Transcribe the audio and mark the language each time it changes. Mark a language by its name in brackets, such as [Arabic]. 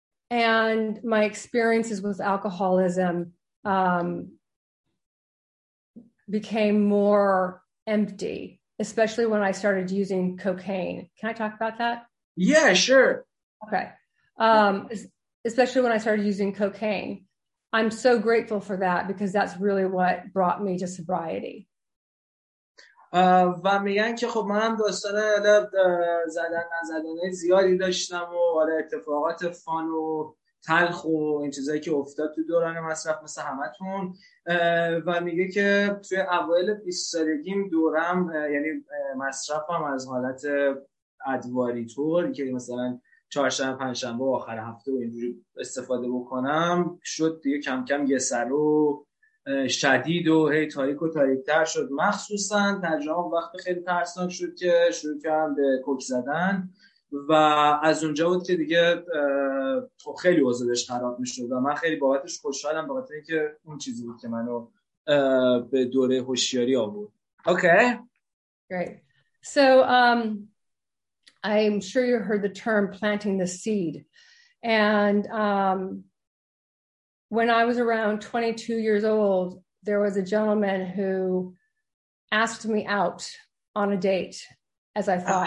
[English] And my experiences with alcoholism became more empty, especially when I started using cocaine. Can I talk about that? Yeah, sure. Okay. Especially when I started using cocaine. I'm so grateful for that because that's really what brought me to sobriety. [Persian] و میگن که خب من هم داستان زدن نزدنه زیادی داشتم و اتفاقات فان و تلخ و این چیزایی که افتاد تو دوران مصرف مثل همتون. و میگه که توی اوائل 20 سالگیم دورم، یعنی مصرفم از حالت ادواری طور که مثلا چهارشنبه پنجشنبه و آخر هفته و اینجوری استفاده بکنم، شد دیگه کم کم یه سر و شدید و هی تاریک و تاریکتر شد. مخصوصا ترجمه وقت خیلی ترسناک شد که شروع کردم به کوک زدن و از اونجا بود که دیگه خیلی وضعش خراب میشد و من خیلی بابتش خوشحالم، بابت اینکه اون چیزی بود که منو به دوره هوشیاری آورد. [English] Okay. Great. So I'm sure you heard the term planting the seed. And when I was around 22 years old, there was a gentleman who asked me out on a date, as I thought.